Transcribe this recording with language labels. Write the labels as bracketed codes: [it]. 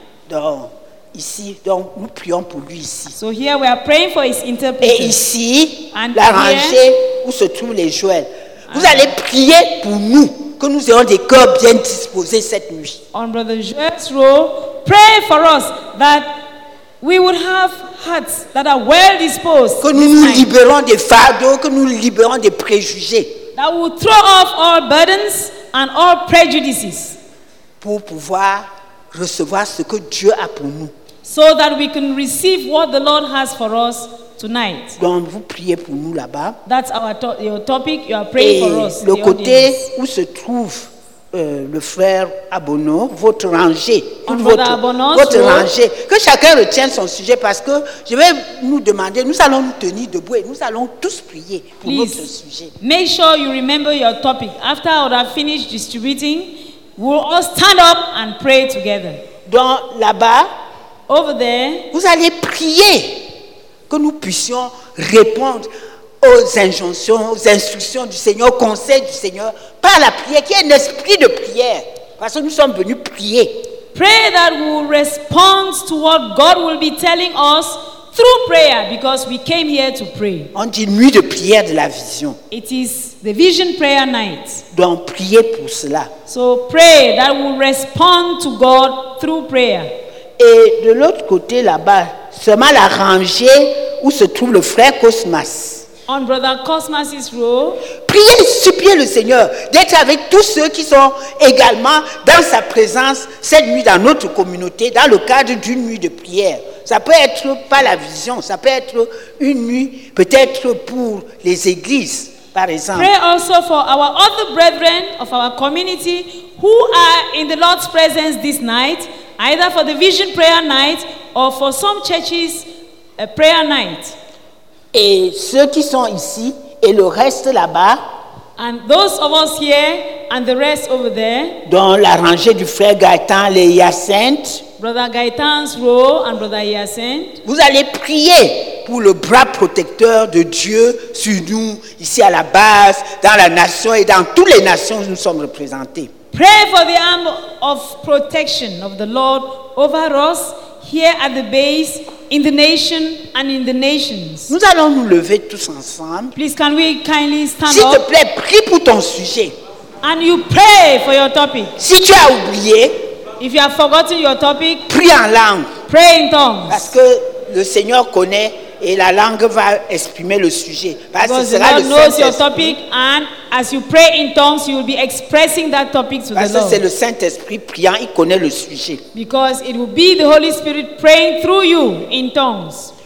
[fr] Donc ici, donc nous prions pour lui ici. [en] So here we are praying for his interpreter. [fr] Et ici, and la rangée où se trouvent les jouets. Vous allez prier pour nous. que nous ayons des cœurs bien disposés cette nuit. [en] On Brother Jethro, pray for us that we would have hearts that are well disposed. [fr] Que nous nous libérons des fardeaux, que nous libérons des préjugés. [en] That will throw off all burdens and all prejudices. [fr] Pour pouvoir recevoir ce que Dieu a pour nous. [en] So that we can receive what the Lord has for us tonight. [fr] Donc vous priez pour nous là-bas. [en] That's our your topic. You are praying [fr] et [en] for us. [fr] Le côté audience. Où se trouve le frère Abono, votre rangée, votre rangée, que chacun retienne son sujet parce que je vais nous demander, nous allons nous tenir debout et nous allons tous prier pour [en] Please, [fr] votre sujet. [en] Make sure you remember your topic. After I would have finished distributing, we'll all stand up and pray together. [fr] Donc là-bas, [en] over there, [fr] vous allez prier que nous puissions répondre aux injonctions, aux instructions du Seigneur, aux conseils du Seigneur, par la prière, qui est un esprit de prière, parce que nous sommes venus prier. [en] Pray that we will respond to what God will be telling us through prayer, because we came here to pray. [fr] On dit nuit de prière de la vision. [en] It is the vision prayer night. [fr] Donc priez pour cela. [en] So pray that we will respond to God through prayer. [fr] Et de l'autre côté là-bas, seulement la rangée où se trouve le frère Cosmas. [en] On Brother Cosmas's row. [fr] Priez, suppliez le Seigneur d'être avec tous ceux qui sont également dans sa présence cette nuit dans notre communauté, dans le cadre d'une nuit de prière. Ça peut être pas la vision, ça peut être une nuit peut-être pour les églises, par exemple. [en] Pray also for our other brethren of our community who are in the Lord's presence this night, either for the vision prayer night or for some churches prayer night. [fr] Et ceux qui sont ici et le reste là-bas. [en] And those of us here and the rest over there. [fr] Dans la rangée du frère Gaëtan, les Hyacinthe. [en] Brother Gaëtan's row and Brother Hyacinthe. [fr] Vous allez prier pour le bras protecteur de Dieu sur nous, ici à la base, dans la nation et dans toutes les nations où nous sommes représentés. [en] Pray for the arm of protection of the Lord over us here at the base, in the nation and in the nations. [fr] Nous allons nous lever tous ensemble. [en] Please, can we kindly stand [fr] S'il [en] up? [fr] S'il te plaît, prie pour ton sujet. [en] And you pray for your topic. [fr] Si tu as oublié, [en] if you have forgotten your topic, [fr] prie en langue. [en] Pray in tongues. [fr] Parce que le Seigneur connaît et la langue va exprimer le sujet. Parce [en] Because [fr] que sera [en] the Lord [fr] le [en] knows [fr] Saint-Esprit. [en] Your topic, and as you pray in tongues, you will be expressing that topic to [fr] Parce [en] the Lord. [fr] Parce que c'est le Saint-Esprit priant, il connaît le sujet. [en] Because it will be the Holy Spirit praying through you in tongues.